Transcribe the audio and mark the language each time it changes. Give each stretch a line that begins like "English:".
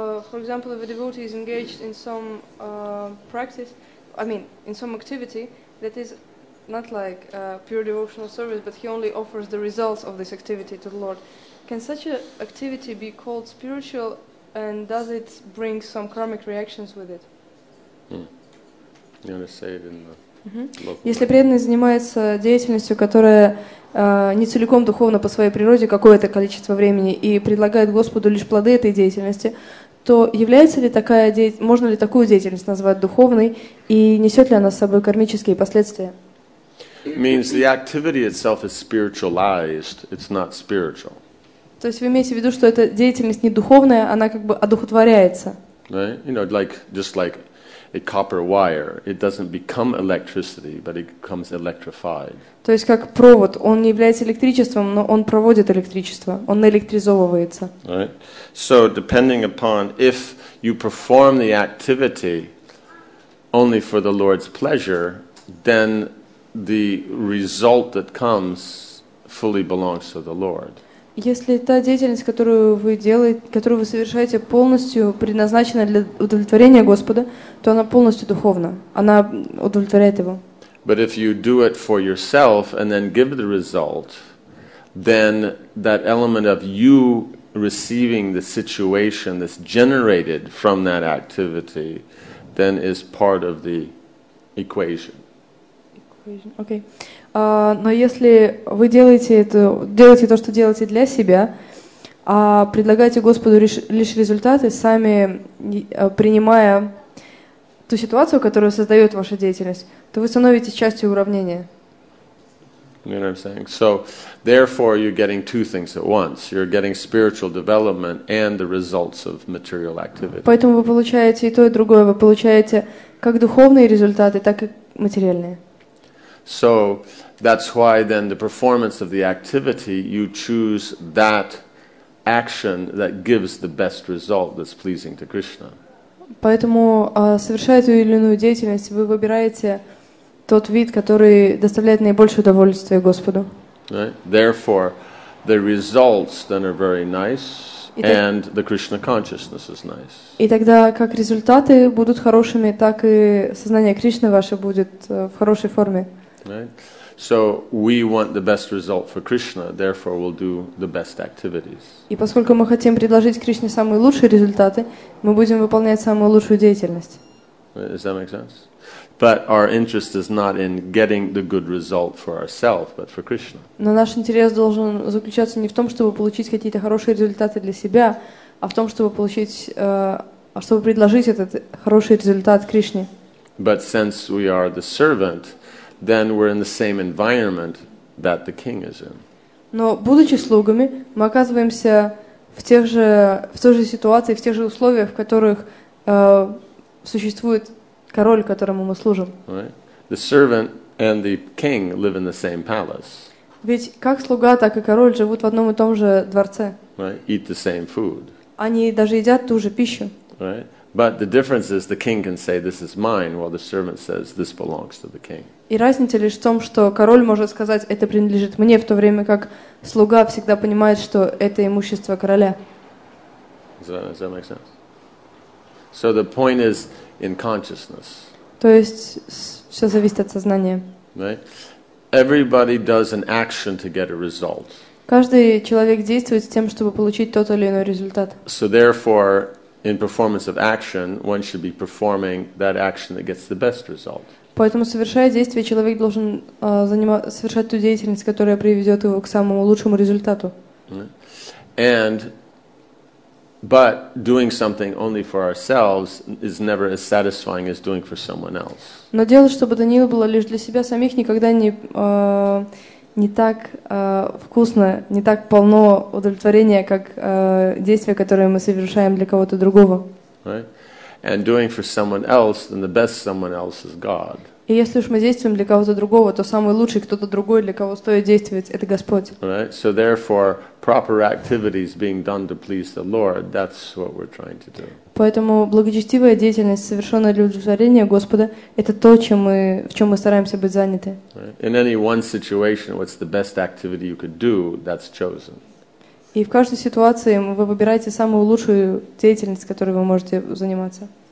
English: For example, if a devotee is engaged in some practice, I mean, in some activity that is not like pure devotional service, but he only offers the results of this activity to the Lord, can such an activity be called spiritual, and does it bring some karmic reactions with it? You want to say it in the
Russian: Если преданный занимается деятельностью, которая не целиком духовна по своей природе, какое-то количество времени, и предлагает Господу лишь плоды этой деятельности, то является ли такая деятельность, можно ли такую деятельность назвать духовной, и несет ли она с собой кармические последствия?
English: Means the activity itself is spiritualized, it's not spiritual.
Russian: То есть вы имеете в виду, что эта деятельность не духовная, она как бы одухотворяется?
English: Right? You know, like, just like a copper wire, it doesn't become electricity, but it becomes electrified.
Russian: То есть как провод, он не является электричеством, но он проводит электричество, он наэлектризовывается.
English: Right. So depending upon if you perform the activity only for the Lord's pleasure, then the result that comes fully belongs to the Lord.
Russian: Если та деятельность, которую вы делаете, которую вы совершаете, полностью предназначена для удовлетворения Господа, то она полностью духовна. Она удовлетворяет его.
English: But if you do it for yourself and then give the result, then that element of you receiving the situation that's generated from that activity then is part of the equation. Equation. Okay.
Russian: Но если вы делаете это, делаете то, что делаете для себя, а предлагаете Господу лишь результаты, сами принимая ту ситуацию, которую создает ваша деятельность, то вы становитесь частью уравнения.
English: You know what I'm saying? So, therefore, you're getting two things at once. You're getting spiritual development and the results of material activity.
Russian: Поэтому вы получаете и то, и другое. Вы получаете как духовные результаты, так и материальные.
English: So that's why then the performance of the activity, you choose that action that gives the best result that's pleasing to Krishna.
Russian: Поэтому совершая ту или иную деятельность, вы выбираете тот вид, который доставляет наибольшее удовольствие Господу.
English: Right? Therefore, the results then are very nice, and the Krishna consciousness is nice.
Russian: И тогда как результаты будут хорошими, так и сознание Кришны ваше будет в хорошей форме.
English: Right? So we want the best result for Krishna, therefore we'll do the best activities.
Russian: И поскольку мы хотим предложить Кришне самые лучшие результаты, мы будем выполнять самую лучшую деятельность.
English: Does that make sense? But our interest is not in getting the good result for ourselves, but for Krishna.
Russian: Но наш интерес должен заключаться не в том, чтобы получить какие-то хорошие результаты для себя, а в том, чтобы получить, чтобы предложить этот хороший результат Кришне.
English: But since we are the servant, then we're in the same environment that the king is in.
Russian: Но будучи слугами, мы оказываемся в той же ситуации, в тех же условиях, в которых существует король, которому мы служим.
English: The servant and the king live in the same palace.
Russian: Ведь как слуга, так и король живут в одном и том же дворце.
English: Right? Eat the same food.
Russian: Они даже едят ту же пищу.
English: Right? But the difference is the king can say this is mine, while the servant says this belongs to the king.
Russian: И разница лишь в том, что король может сказать, это принадлежит мне, в то время как слуга всегда понимает, что это имущество короля.
English: Does that make sense? So the point is in consciousness.
Russian: То есть все зависит от сознания.
English: Right? Everybody does an action to get a result.
Russian: Каждый человек действует с тем, чтобы получить тот или иной результат.
English: So therefore, in performance of action, one should be performing that action that gets the best result.
Russian: Поэтому, совершая действие, человек должен совершать ту деятельность, которая приведет его к самому лучшему результату.
English: But doing something only for ourselves is never as satisfying as doing for someone else.
Russian: Но делать, чтобы то ни было лишь для себя самих, никогда не так вкусно, не так полно удовлетворения, как действия, которые мы совершаем для кого-то другого.
English: Right? And doing for someone else, then the best someone else is God.
Russian: И если уж мы действуем для кого-то другого, то самый лучший кто-то другой, для кого стоит действовать, это Господь.
English: Right? So therefore, proper activities being done to please the Lord, that's what we're trying to do.
Russian: Поэтому благочестивая деятельность, совершенная для удовлетворения Господа, это то, в чем мы стараемся быть заняты.
English: Right? In any one situation, what's the best activity you could do, that's chosen.
Russian: И в каждой ситуации вы выбираете самую лучшую деятельность, которой вы можете заниматься.